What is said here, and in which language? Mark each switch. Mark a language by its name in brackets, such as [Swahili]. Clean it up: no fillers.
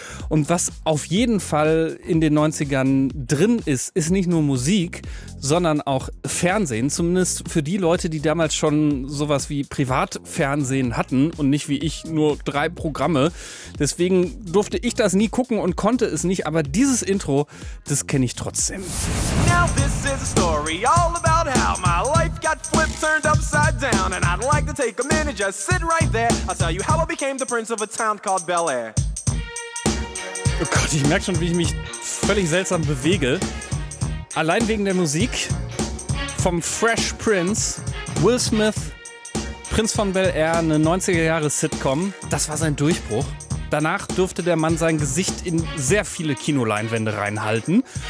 [German] Und was auf jeden Fall in den 90ern drin ist, ist nicht nur Musik, sondern auch Fernsehen. Zumindest für die Leute, die damals schon sowas wie Privatfernsehen hatten und nicht wie ich nur drei Programme. Deswegen durfte ich das nie gucken und konnte es nicht. Aber dieses Intro, das kenne ich trotzdem. [English] Now this is a story all about how my life got flipped, turned upside down. And I'd like to take a minute, just sit right there. I'll tell you how I became the prince of a town called Bel-Air. [German] Oh Gott, ich merke schon, wie ich mich völlig seltsam bewege. Allein wegen der Musik vom Fresh Prince, Will Smith, Prinz von Bel-Air, eine 90er-Jahre-Sitcom. Das war sein Durchbruch. Danach durfte der Mann sein Gesicht in sehr viele Kinoleinwände reinhalten.